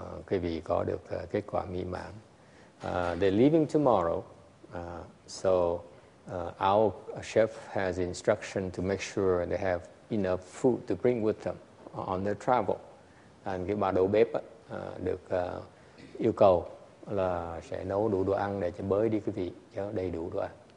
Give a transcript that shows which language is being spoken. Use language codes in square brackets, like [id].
[vi] quý vị có được kết quả mỹ mãn. [en] They're leaving tomorrow, so our chef has instruction to make sure they have enough food to bring with them on their travel. [vi] And cái bà đầu bếp được yêu cầu là sẽ nấu đủ đồ ăn để cho bới đi quý vị, cho đầy đủ đồ ăn.